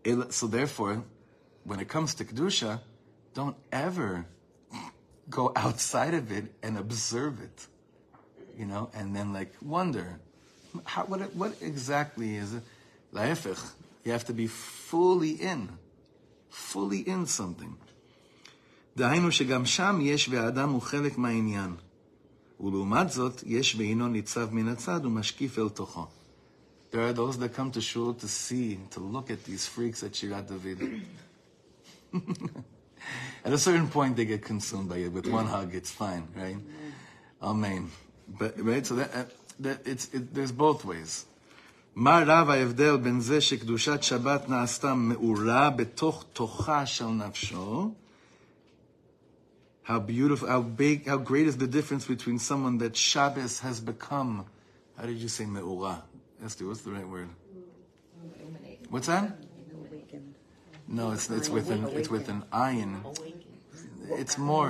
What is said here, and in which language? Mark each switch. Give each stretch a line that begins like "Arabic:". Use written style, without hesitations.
English: So therefore, when it comes to Kedusha, don't ever go outside of it and observe it, you know, and then like wonder, what exactly is it? La'efech, you have to be fully in something.
Hebrew: דהיינו שגם שם יש והאדם הוא חלק מהעניין. ולעומת זאת, יש ואינו ניצב מן הצד ומשקיף אל תוכו.
English: There are those that come to shul to see, to look at these freaks at Shirat David. At a certain point they get consumed by it. With one hug, it's fine, right? Amen. But, right, so there's both ways.
Hebrew: מה רב ההבדל בין זה שקדושת שבת נעשתה מעורה בתוך תוכה של נפשו?
English: How beautiful, how big, how great is the difference between someone that Shabbos has become, how did you say me'ura? Esther, what's the right word? Emanate. What's that? Emanate. No, it's with an ayin. It's more.